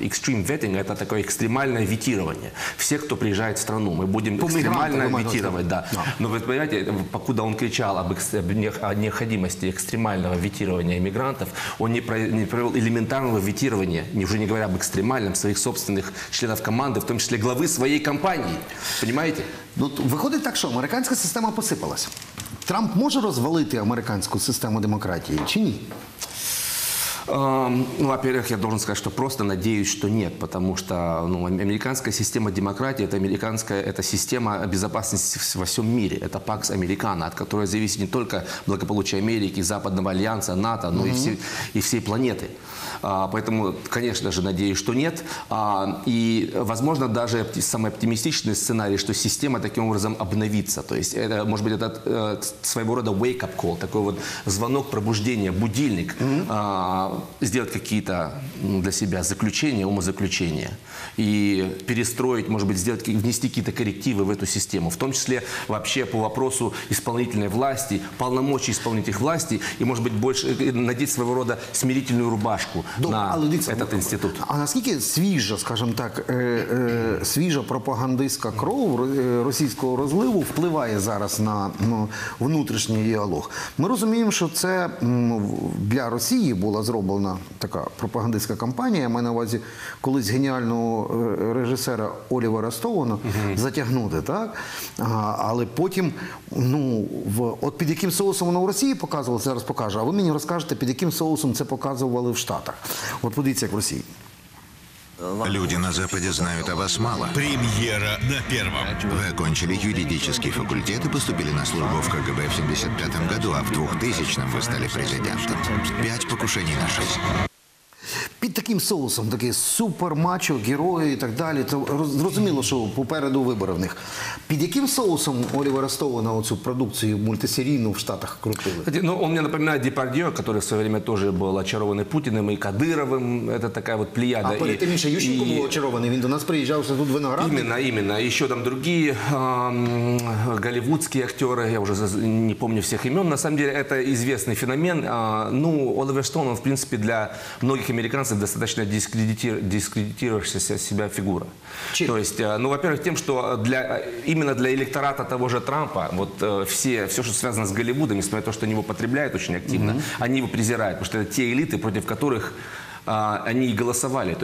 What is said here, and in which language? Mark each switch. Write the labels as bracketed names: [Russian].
[English] Extreme vetting [Russian] – это такое экстремальное ветирование. Все, кто приезжает в страну, мы будем экстремально ветировать. Да. Но вы понимаете, покуда он кричал о необходимости экстремального ветирования мигрантов, он не провел элементарного ветирования, уже не говоря об экстремальном, своих собственных членов команды, в том числе главы своей компании. Понимаете? [Ukrainian] Ну, виходить так, що американська система посипалась. Трамп може розвалити американську систему демократії чи ні? [Russian] Во-первых, я должен сказать, что просто надеюсь, что нет, потому что американская система демократии – это американская система безопасности во всем мире. Это Pax Americana, от которой зависит не только благополучие Америки, Западного альянса, НАТО, но и всей планеты. Поэтому, конечно же, надеюсь, что нет. И, возможно, даже самый оптимистичный сценарий, что система таким образом обновится. То есть, это, может быть, это своего рода wake-up call, такой вот звонок пробуждения, будильник, сделать какие-то для себя заключения, умозаключения и перестроить, может быть, внести какие-то коррективы в эту систему, в том числе вообще по вопросу исполнительной власти, полномочий исполнительных властей и, может быть, больше надеть своего рода смирительную рубашку институт. [Ukrainian] А наскільки свіжа, [Russian] скажем так, [Ukrainian] свіжа пропагандистська кров російського розливу впливає зараз на внутрішній діалог? Ми розуміємо, що це для Росії була зроблена така пропагандистська кампанія, я маю на увазі колись геніального режисера Олівера Стоуна затягнути, так? Але потім, от під яким соусом воно в Росії показувалося, зараз покажу, а ви мені розкажете, під яким соусом це показували в Штатах. От подивіться, як в Росії. [Russian] Люди на Западе знают о вас мало. Премьера на первом. Вы окончили юридический факультет и поступили на службу в КГБ в 75-м году, а в 2000-м вы стали президентом. 5 покушений на 6. [Ukrainian] Під таким соусом, такий супермачо, герої і так далі, то зрозуміло, що попереду вибори в них. Під яким соусом Олівера Стоуна оцю продукцію мультисерійну в Штатах крутили? Ну, він мені нагадує Депардьо, який в своє время теж був очарований Путіним і Кадировим. Це така от плеяда. А перед тим, що Ющенко був очарований, він до нас приїжджав, що тут виноградник. Іменно. І ще там другі голівудські актери, я вже не пам'ятаю всіх імен. [Russian] На самом деле, це известний феномен. Олівер Стоун, в принципі, для многих американцев достаточно дискредитировавшаяся себя фигура. Чем? То есть, во-первых, тем, что именно для электората того же Трампа, вот все, что связано с Голливудом, несмотря на то, что они его потребляют очень активно, они его презирают, потому что это те элиты, против которых они и голосовали.